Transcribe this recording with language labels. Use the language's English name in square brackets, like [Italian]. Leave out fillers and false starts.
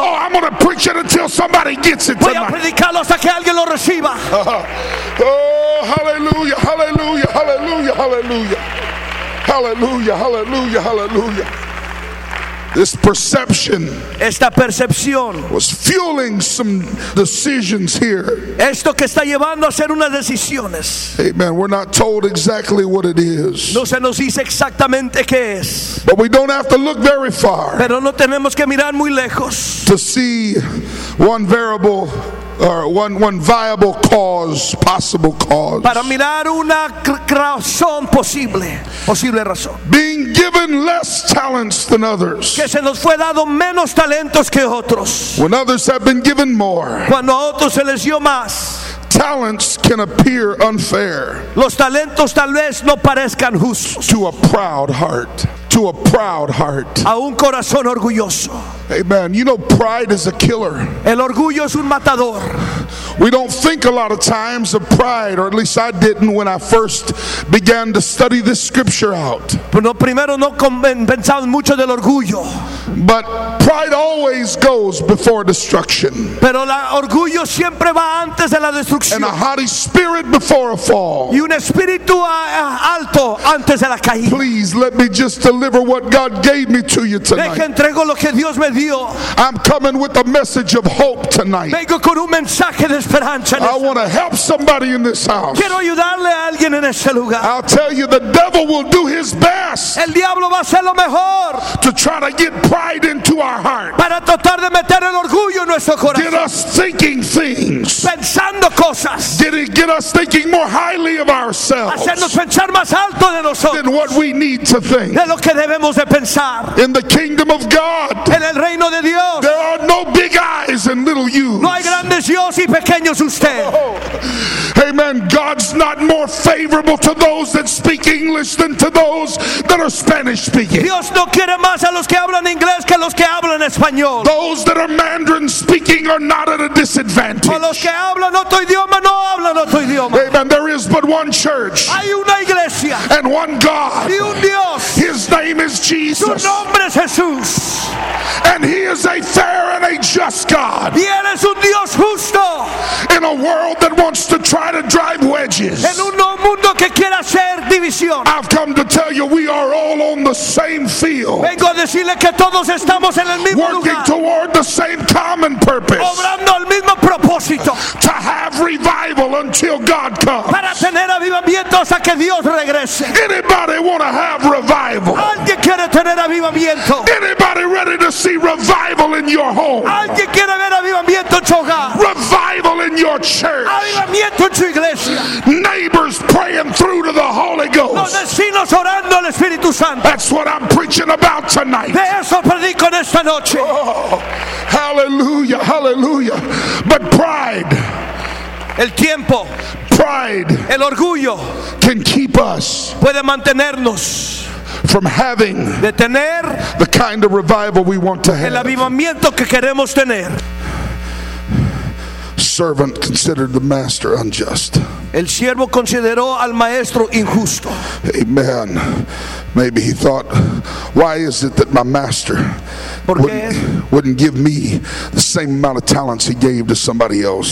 [English] Oh, I'm going to preach it until somebody gets it tonight. [Spanish] Voy a predicarlo hasta que alguien lo reciba. [English] Oh, hallelujah, hallelujah, hallelujah, hallelujah, hallelujah, hallelujah, hallelujah. This perception, [Spanish] esta percepción, [English] was fueling some decisions here. [Spanish] Esto que está llevando a hacer unas decisiones. [English] Amen. We're not told exactly what it is. [Spanish] No se nos dice exactamente qué es. [English] But we don't have to look very far. [Spanish] Pero no tenemos que mirar muy lejos. [English] To see one variable or one viable cause, possible cause. [Spanish] Para mirar una razón posible, posible razón. [English] Being given less talents than others. [Spanish] Que se nos fue dado menos talentos que otros. [English] When others have been given more. [Spanish] Cuando a otros se les dio más. [English] Talents can appear unfair. [Spanish] Los talentos tal vez no parezcan justos. [English] To a proud heart. To a proud heart. [Spanish] A un corazón orgulloso. [English] Amen. You know, pride is a killer. [Spanish] El orgullo es un matador. [English] We don't think a lot of times of pride, or at least I didn't when I first began to study this scripture out. [Spanish] Pero primero no pensaba mucho del orgullo. [English] But pride always goes before destruction. [Spanish] Pero el orgullo siempre va antes de la destrucción. [English] And a haughty spirit before a fall. [Spanish] Y un espíritu alto antes de la caída. [English] Please let me just deliver what God gave me to you tonight. [Spanish] Deje entrego lo que Dios me dio. [English] I'm coming with a message of hope tonight. [Spanish] Vengo con un mensaje de esperanza. [English] I want to help somebody in this house. [Spanish] Quiero ayudarle a alguien en este lugar. [English] I'll tell you, the devil will do his best. [Spanish] El diablo va a hacer lo mejor. [English] To try to get pride into our heart. [Spanish] Para tratar de meter el orgullo en nuestro corazón. [English] Get us thinking things. [Spanish] Pensando cosas. [English] Get us thinking more highly of ourselves. [Spanish] Hacernos pensar más alto de nosotros. [English] Than what we need to think. [Spanish] De lo que debemos de pensar. [English] In the kingdom of God. [Spanish] En el reino de Dios. [English] There are no big eyes and little yous. [Spanish] No hay grandes yos y pequeños usted. [English] Oh, amen. God's not more favorable to those that speak English than to those that are Spanish speaking. [Spanish] Dios no quiere más a los que hablan inglés que los que hablan español. [English] Those that are Mandarin speaking are not at a disadvantage. [Spanish] O los que hablan otro idioma no hablan otro idioma. [English] Amen. There is but one church. [Spanish] Hay una iglesia. [English] And one God. [Spanish] Y un Dios. [English] His name is Jesus. [Spanish] Su nombre es Jesús. [English] And he is a fair and a just God. [Spanish] Y él es un Dios justo. [English] In a world that wants to try to drive wedges. [Spanish] En un mundo que quiere hacer división. [English] I've come to tell you we are all on the same field. [Spanish] Vengo a decirle que todos estamos en el mismo [English] working [Spanish] lugar. [English] Working toward the same common purpose. [Spanish] Obrando el mismo propósito. [English] To have revival until God comes. [Spanish] Para tener avivamiento hasta que Dios regrese. [English] Anybody want to have revival? [Spanish] Alguien quiere tener avivamiento. [English] Anybody ready to see revival in your home? [Spanish] Alguien quiere ver avivamiento en su hogar. [English] Revival in your church. [Spanish] Avivamiento en su iglesia. [English] Neighbors praying through to the Holy Ghost. [Spanish] Los vecinos orando al Espíritu Santo. [English] That's what I'm preaching about tonight. [Spanish] De eso predico en esta noche. [English] Oh, hallelujah, hallelujah. But pride. [Spanish] El tiempo. [English] Pride. [Spanish] El orgullo. [English] Can keep us. [Spanish] Puede mantenernos. [English] From having [Spanish] de tener [English] the kind of revival we want to have. [Spanish] El avivamiento que queremos tener. [English] Servant considered the master unjust. [Spanish] El siervo consideró al maestro injusto. [English] Amen. Maybe he thought, why is it that my master wouldn't give me the same amount of talents he gave to somebody else?